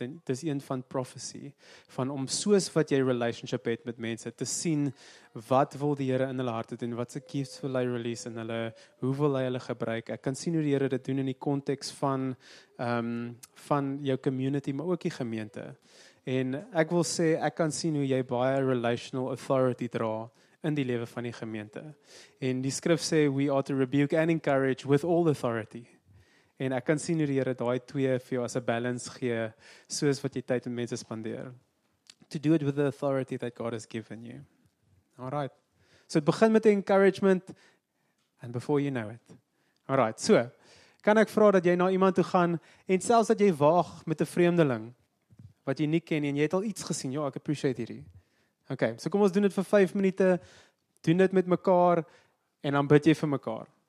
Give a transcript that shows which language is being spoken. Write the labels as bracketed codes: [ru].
[af] En dis een van prophecy, van om soos wat jy relationship het met mense, te sien wat wil die Here in hulle harte doen, wat se gifts wil hy release in hulle, hoe wil hy hulle gebruik. Ek kan sien hoe die Here dit doen in die konteks van jou community, maar ook die gemeente. En ek wil sê, ek kan sien hoe jy baie relational authority dra in die lewe van die gemeente. En die skrif sê, [en] we are to rebuke and encourage with all authority. [af] En ek kan sien hoe die Here daai twee vir jou as 'n balance gee, soos wat jy tyd met mense spandeer. [en] To do it with the authority that God has given you. Alright. [af] So begin met encouragement, [en] and before you know it. [af] Alright, so, kan ek vra dat jy na iemand toe gaan, en selfs dat jy waag met 'n vreemdeling, wat jy nie ken, en jy het al iets gesien, ja, ek appreciate hierdie. Oké, okay, so kom ons doen dit vir 5 minute. Doen dit met mekaar en dan bid jy vir mekaar.